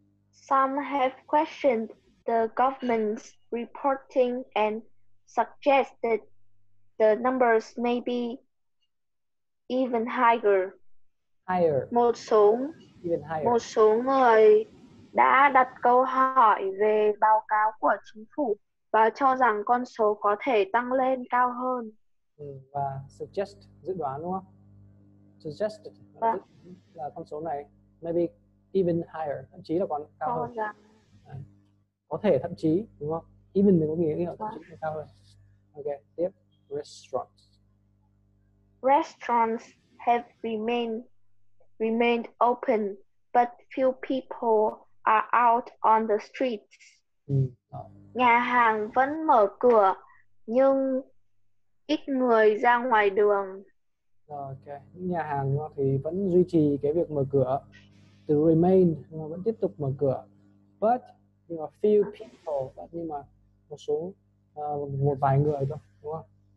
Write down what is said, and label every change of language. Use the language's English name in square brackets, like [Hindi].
[English] Some have questioned the government's reporting and suggest that the numbers may be even higher. Higher. [Vietnamese] Một số [English] Even higher. [Vietnamese] Một số người đã đặt câu hỏi về báo cáo của chính phủ và cho rằng con số có thể tăng lên cao hơn. Và suggest, dự đoán đúng không? Suggested là con số này, [English] maybe even higher, [Vietnamese] thậm chí là còn cao hơn. Dạ. Có thể thậm chí, đúng không? Even mình có nghĩa là thậm chí là cao hơn. Ok, tiếp. Restaurants. [English] Restaurants have remained open, but few people are out on the streets. [Vietnamese] Nhà hàng vẫn mở cửa, nhưng ít người ra ngoài đường. Ok, nhà hàng thì vẫn duy trì cái việc mở cửa, to remain, vẫn tiếp tục mở cửa. [English] But, you know, few people, [Vietnamese] nhưng mà một số, một vài người thôi, đúng không?